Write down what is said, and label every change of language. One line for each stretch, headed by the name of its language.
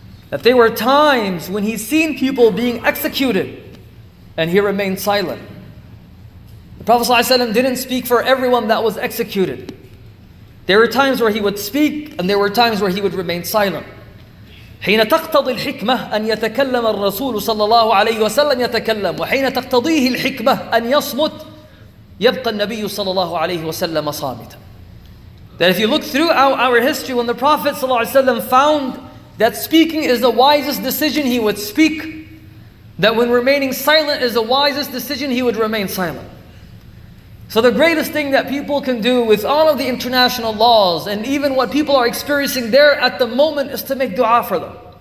English: That there were times when he's seen people being executed and he remained silent. The Prophet sallallahu alaihi wasallam didn't speak for everyone that was executed. There were times where he would speak and there were times where he would remain silent.
Arabic: حين تقتضي الحكمة أن يتكلم الرسول صلى الله عليه وسلم يتكلم وحين تقتضيه الحكمة أن يصمت يبقى النبي صلى الله عليه وسلم صامتا.
English: That if you look throughout our history, when the Prophet صلى الله عليه وسلم found that speaking is the wisest decision, he would speak. That when remaining silent is the wisest decision, he would remain silent. So the greatest thing that people can do with all of the international laws and even what people are experiencing there at the moment is to make dua for them.